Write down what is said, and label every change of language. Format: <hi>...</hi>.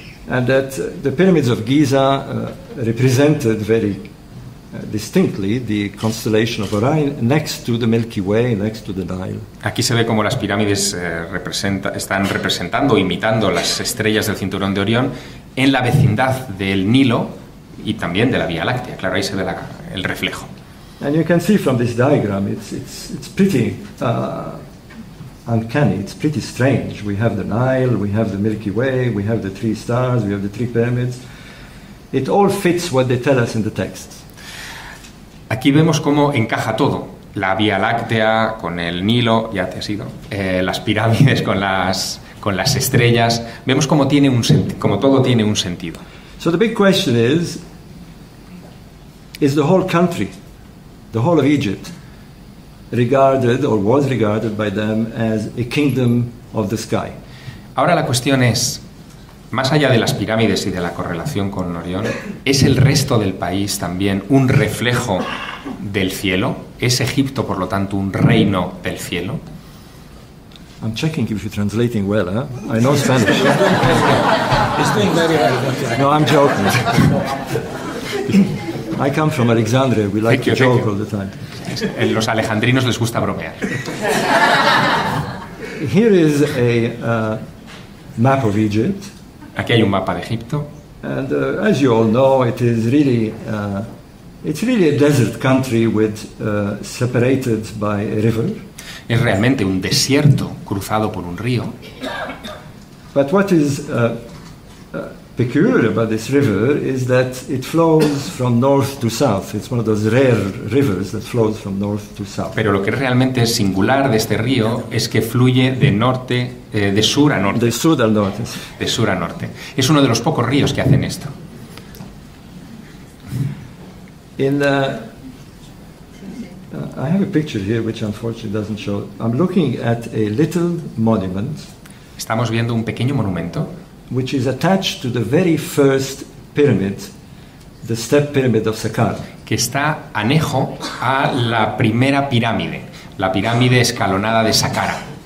<en>And that the pyramids of Giza represented very distinctly the constellation of Orion next to the Milky Way, next to the Nile.</en> <es>Aquí se ve como las pirámides están representando, imitando las estrellas del cinturón de Orión en la vecindad del Nilo y también de la Vía Láctea. Claro, ahí se ve el reflejo.</es> <en>And you can see from this diagram, it's pretty uncanny. It's pretty strange. We have the Nile, we have the Milky Way, we have the three stars, we have the three pyramids. It all fits what they tell us in the texts.</en> <es>Aquí vemos cómo encaja todo. La Vía Láctea con el Nilo, ya te has ido. Las pirámides con las estrellas. Vemos cómo tiene un como todo tiene un sentido.</es> <en>So the big question is the whole country, the whole of Egypt, regarded or was regarded by them as a kingdom of the sky?</en> <es>Ahora la cuestión es, más allá de las pirámides y de la correlación con Orión, ¿es el resto del país también un reflejo del cielo? ¿Es Egipto, por lo tanto, un reino del cielo?</es> <en>I'm checking if you're translating well, huh? I know Spanish. It's doing very well. No, I'm joking. I come from Alexandria. We like to joke all the time.</en> <es>En los alejandrinos les gusta bromear.</es> <en>Here is a map of Egypt.</en> <es>Aquí hay un mapa de Egipto.</es> <en>And as you all know, it is really it's really a desert country with separated by a river.</en> <es>Es realmente un desierto cruzado por un río.</es> <en>But what is peculiar about this river is that it flows from north to south. It's one of those rare rivers that flows from north to south.</en> <es>Pero lo que realmente es singular de este río es que fluye de norte de sur a norte. De sur al norte. De sur a norte. Es uno de los pocos ríos que hacen esto.</es> <en>I have a picture here which unfortunately doesn't show. I'm looking at a little monument.</en> <es>Estamos viendo un pequeño monumento.</es> <en>Which is attached to the very first pyramid, the step pyramid of Saqqara.</en> <es>Que está anejo a la primera pirámide, la pirámide escalonada de Saqqara.</es>